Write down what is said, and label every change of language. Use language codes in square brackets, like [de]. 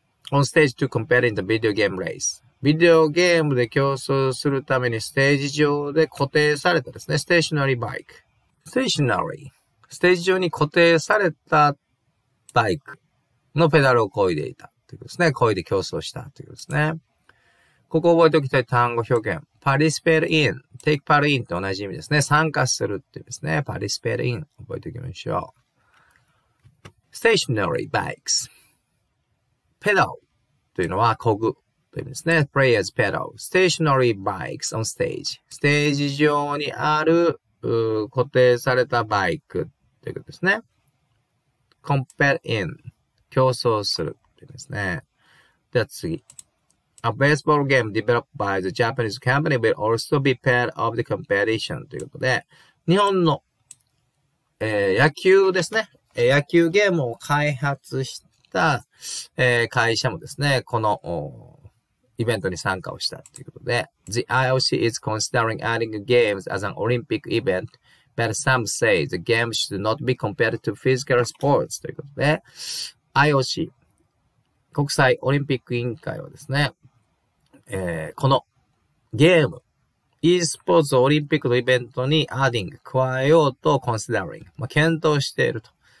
[en] on stage to compete in the video game race. [ja] ビデオゲームで競争するためにステージ上で固定されたですね。 [en] stationary bike. stationary. [ja] ステージ上に固定されたバイクのペダルを漕いでいた。ですね。恋で競争したということですね。ここを覚えておきたい単語表現。 [en] participate in, take part in [ja] と同じ意味ですね。参加するって言うんですね。 [en] participate in [ja] 覚えておきましょう。 [en] stationary bikes. [ja] pedal というのは漕ぐという意味ですね。 [en] players pedal. stationary bikes on stage. [ja] ステージ上にある固定されたバイクということですね。 [en] compete in [ja] 競争する。ですね。では次。 [en] A baseball game developed by the Japanese company will also be part of the competition [ja] ということで、日本の、野球ですね。野球ゲームを開発した、会社もですね、このイベントに参加をしたということで、 [en] The IOC is considering adding games as an Olympic event, but some say the games should not be compared to physical sports [ja] ということで、IOC、国際オリンピック委員会はですね、このゲーム、e スポーツオリンピックのイベントに adding、加えようと considering、まあ、検討していると。